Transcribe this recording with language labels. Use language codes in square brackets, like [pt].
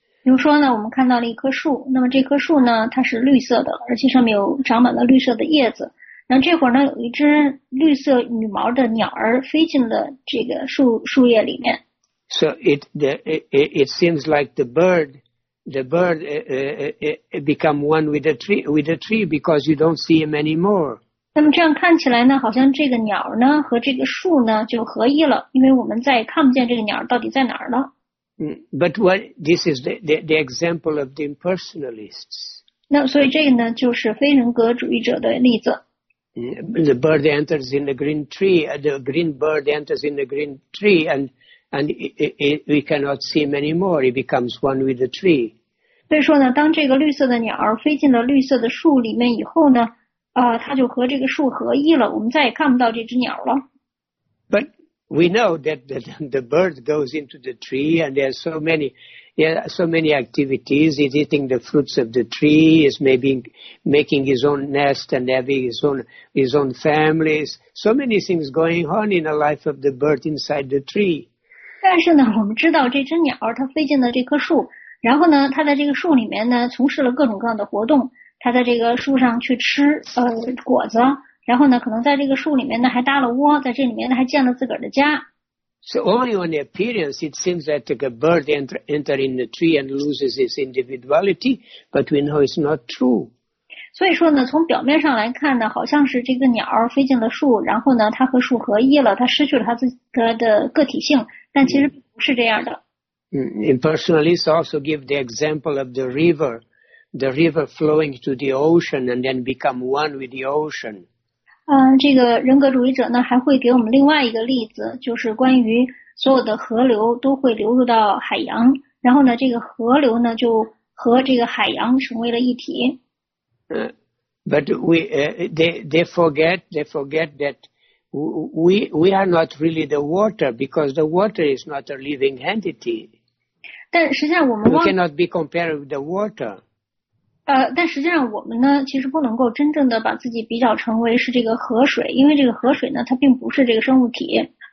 [zh] 比如说呢，我们看到了一棵树，那么这棵树呢，它是绿色的，而且上面有长满了绿色的叶子。然后这会儿呢，有一只绿色羽毛的鸟儿飞进了这个树叶里面。 [en] So it seems like the bird become one with the tree because you don't see him anymore. [zh] 那么这样看起来呢，好像这个鸟呢和这个树呢就合一了，因为我们再也看不见这个鸟到底在哪儿了。 [en] But what this is the example of the impersonalists. [zh] 那所以这个呢，就是非人格主义者的例子。 [en] The bird enters in the green tree. The green bird enters in the green tree, and we cannot see him anymore. He becomes one with the tree. [zh] 所以说呢，当这个绿色的鸟儿飞进了绿色的树里面以后呢，它就和这个树合一了。我们再也看不到这只鸟了。 [en] But we know that the bird goes into the tree, and there are so many activities. He's eating the fruits of the tree. He's maybe making his own nest and having his own families. So many things going on in the life of the bird inside the tree. [zh] 但是呢，我们知道这只鸟儿它飞进了这棵树，然后呢，它在这个树里面呢从事了各种各样的活动。它在这个树上去吃果子，然后呢，可能在这个树里面呢还搭了窝，在这里面呢还建了自个儿的家。 [en] So only on the appearance, it seems that a bird enter in the tree and loses its individuality, but we know it's not true. [zh] 所以说呢，从表面上来看呢，好像是这个鸟飞进了树，然后呢，它和树合一了，它失去了它自己的个体性，但其实不是这样的。 [en] Impersonalists also give the example of the river flowing to the ocean and then become one with the ocean. [zh] 这个人格主义者呢还会给我们另外一个例子，就是关于所有的河流都会流入到海洋，然后呢这个河流呢就和这个海洋成为了一体。 [en] But they forget that we are not really the water, because the water is not a living entity. [zh] 但实际上我们 [en] we cannot be compared with the water. [zh] 但实际上我们呢其实不能够真正的把自己比较成为是这个河水，因为这个河水呢它并不是这个生物体。